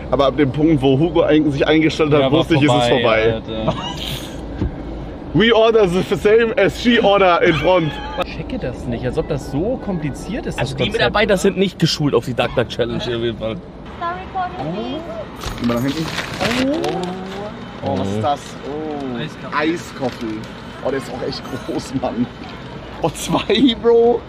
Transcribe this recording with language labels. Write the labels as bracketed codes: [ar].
[de] Aber ab dem Punkt, wo Hugo sich eingestellt hat, wusste ich, ist es vorbei. [en] We order the same as she order in front. [de] Ich checke das nicht, als ob das so kompliziert ist. Also die Mitarbeiter sind nicht geschult auf die Duck-Duck-Challenge auf jeden Fall. Oh. Immer nach hinten. Oh. Oh, was ist das? Oh. Eiskoffel. Oh, der ist auch echt groß, Mann. Oh, zwei, Bro.